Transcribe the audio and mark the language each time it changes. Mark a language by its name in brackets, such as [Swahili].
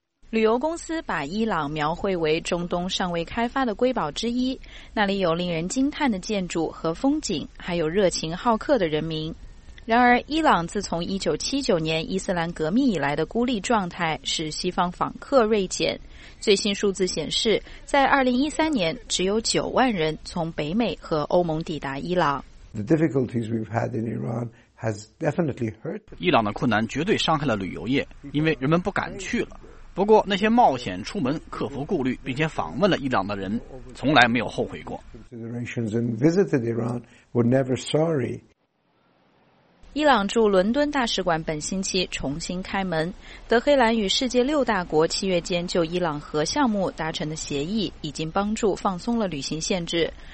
[Chinese] 旅游公司把伊朗描绘为中东尚未开发的瑰宝之一，那里有令人惊叹的建筑和风景，还有热情好客的人民。然而伊朗自从1979年伊斯兰革命以来的孤立状态使西方访客锐减，最新数字显示在2013年只有9万人从北美和欧盟抵达伊朗。 [English] The difficulties we've had in Iran has definitely hurt. [Chinese] 伊朗的困难绝对伤害了旅游业，因为人们不敢去了。不过那些冒险出门、克服顾虑并且访问了伊朗的人，从来没有后悔过。伊朗驻伦敦大使馆本星期重新开门，德黑兰与世界六大国七月间就伊朗核项目达成的协议已经帮助放松了旅行限制。